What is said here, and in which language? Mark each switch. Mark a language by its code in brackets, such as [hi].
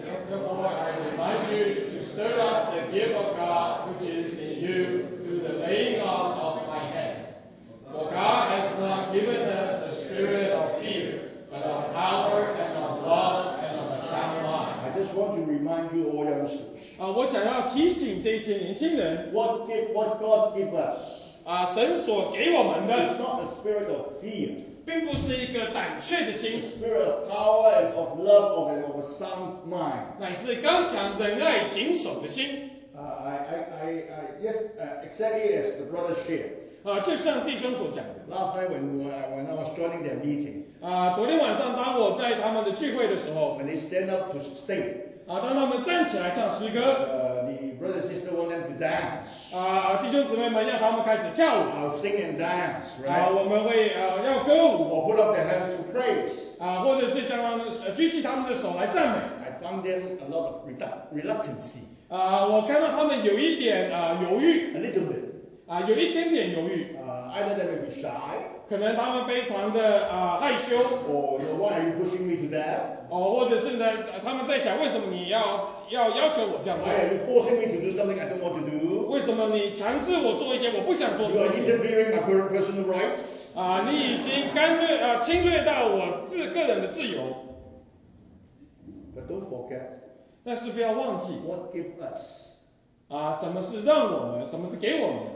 [en] Therefore I remind you to stir up the gift of God which is in you through the laying on of my hands. For God has not given us the spirit of fear, but of power and of love and of a sound mind. I just want to remind you all youngsters. [zh] 我想要提醒这些年轻人 [en] what God give us [zh] 神所给我们的 [en] is not a spirit of fear [zh] 并不是一个胆怯的心 [en] a spirit of power and of love and of a sound mind [zh] 乃是刚强仁爱谨守的心 [en] exactly as the brother shared [zh] 就像弟兄所讲的 [en] last night when I was joining their meeting [zh] 昨天晚上当我在他们的聚会的时候 [en] when they stand up to sing [zh] 当他们站起来唱诗歌 [en] the brother and sister want them to dance [zh] 弟兄姊妹们要他们开始跳舞 [en] I'll sing and dance, right? [zh] 我们会要歌舞 [en] or put up their hands to praise [zh] 或者是将他们举起他们的手来赞美 [en] I found them a lot of reluctancy [zh] 我看到他们有一点犹豫 [en] a little bit [zh] 有一点点犹豫 [en] either they may be shy [zh] 可能他们非常的害羞 [en] or why are you pushing me to that? [zh] 或者是呢，他们在想为什么你要求我这样做 [en] ？You forcing me to do something I don't want to do. [zh] 为什么你强制我做一些我不想做的 [en] ？You are interfering my personal rights. [zh] 你已经干预侵略到我个人的自由。 [en] But don't forget. [zh] 但是不要忘记。 [en] What give us? [zh] 什么是让我们？什么是给我们